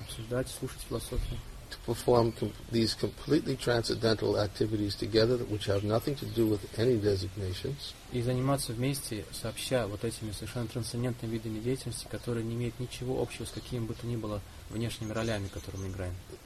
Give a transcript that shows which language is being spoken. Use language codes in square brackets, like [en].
[ru] Обсуждать, слушать философию. [en] To perform these completely transcendental activities together, which have nothing to do with any designations. [ru] И заниматься вместе, сообща вот этими совершенно трансцендентными видами деятельности, которые не имеют ничего общего с какими бы то ни было внешними ролями, которые мы играем.